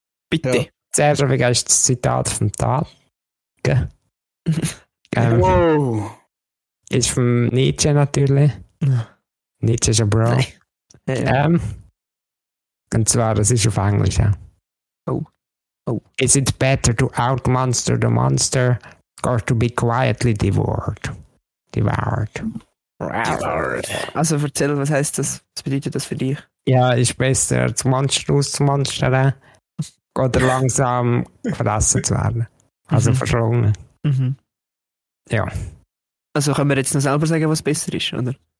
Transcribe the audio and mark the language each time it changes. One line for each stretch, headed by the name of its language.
German: Bitte. Ja. Zuerst habe ich das Zitat vom Tag. Okay. Wow! Ist von Nietzsche natürlich. Nietzsche ist ein Bro. Und zwar, das ist auf Englisch. Ja. Oh.
English: Is it better to outmonster the monster or to be quietly devoured? Devoured.
German: Also erzähl, was heißt das? Was bedeutet das für dich? Ja, ist besser, das Monster auszumonstern. Oder langsam verlassen zu werden. Also verschlungen. Ja. Also können wir jetzt noch selber sagen, was besser ist, oder?